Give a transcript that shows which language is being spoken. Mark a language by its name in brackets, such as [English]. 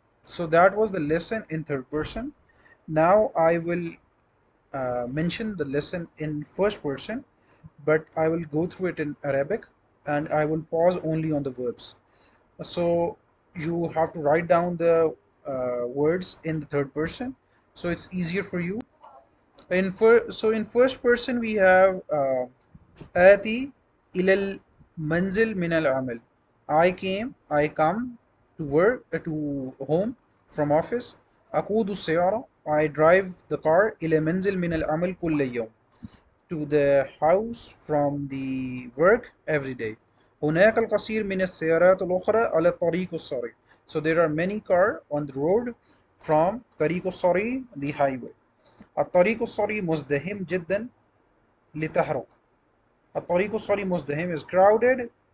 [English] So that was the lesson in third person. Now I will mention the lesson in first person, but I will go through it in Arabic and I will pause only on the verbs. So you have to write down the words in the third person so it's easier for you. So in first person we have Ati [Arabic] إلى المنزل من العمل. [English] I came, I come to work, to home from office. [Arabic] أقود السيارة. [English] I drive the car [Arabic] إلى منزل من العمل كل يوم. [English] To the house from the work every day. [Arabic] هناك الكثير من السيارات الأخرى على الطريق الصريح. [English] So there are many cars on the road from [Arabic] طريق الصريح, [English] the highway. [Arabic] الطريق الصريح مزدحم جدا لتحرك. الطريق الصريح مزدحم [English] is crowded